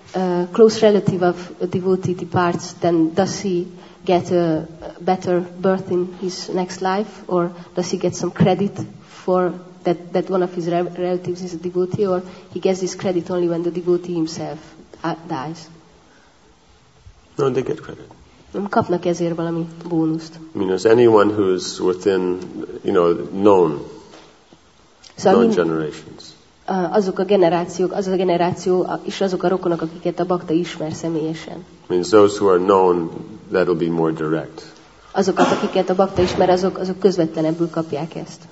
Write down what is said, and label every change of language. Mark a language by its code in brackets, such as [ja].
[en] A close relative of a devotee departs, then does he get a better birth in his next life, or does he get some credit for that one of his relatives is a devotee, or he gets this credit only when the devotee himself dies. No, they get credit. [hu] Kapnak ezért valami bónuszt. [en] I mean, as anyone who is within, you know, known, so known I mean, generations. [hu] Azok a generációk, az a generáció, és azok a rokonok, akiket a bhakta ismer személyesen. [en] I mean, those who are known, that will be more direct. [hu] Azokat, akiket a bhakta ismer, azok közvetlenebbül kapják ezt.